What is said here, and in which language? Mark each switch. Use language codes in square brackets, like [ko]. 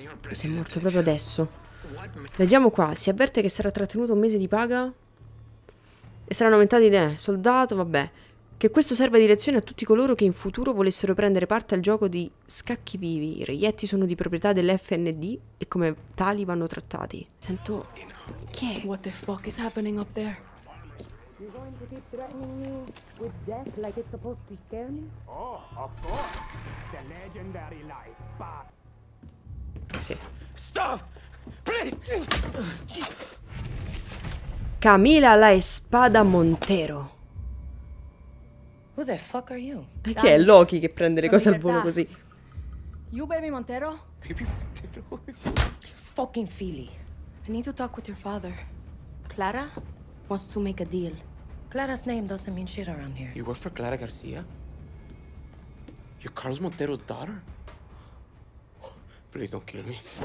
[it] Si è morto proprio adesso. Leggiamo qua. Si avverte che sarà trattenuto un mese di paga? E saranno aumentati... soldato, vabbè. Che questo serva di lezione a tutti coloro che in futuro volessero prendere parte al gioco di scacchi vivi. I reietti sono di proprietà dell'FND e come tali vanno trattati. Sento... Chi è? [en] What the fuck is happening up there? You're going to keep threatening me with death like it's supposed to scare me? Oh, of course! The legendary life, but... [it] Sì. [en] Stop! Please! Camila la Espada Montero. Who the fuck are you? [it] E chi è Loki che prende le cose al volo così? [en] You baby Montero? Baby Montero? Fucking Philly. I need to talk with your father. Clara wants to make a deal. Clara's name doesn't mean shit around here. You work for Clara Garcia? You're Carlos Montero's daughter? Please don't kill me.